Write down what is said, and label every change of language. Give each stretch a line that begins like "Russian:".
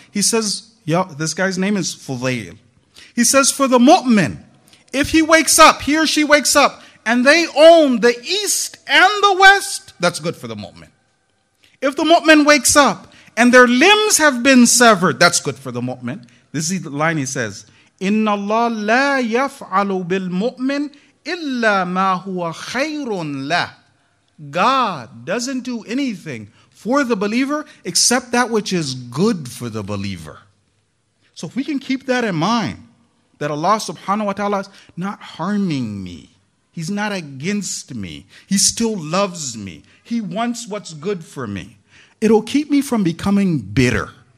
English: He says, yo, this guy's name is Fudayl. He says, for the mu'min, if he wakes up, he or she wakes up, and they own the east and the west, that's good for the mu'min. If the mu'min wakes up, and their limbs have been severed, that's good for the mu'min. This is the line he says,
Arabic: إِنَّ اللَّهَ لَا يَفْعَلُ بِالْمُؤْمِنِ إِلَّا مَا هُوَ خَيْرٌ لَهُ.
English: God doesn't do anything for the believer except that which is good for the believer. So if we can keep that in mind, that Allah subhanahu wa ta'ala is not harming me, he's not against me, he still loves me, he wants what's good for me, it'll keep me from becoming bitter.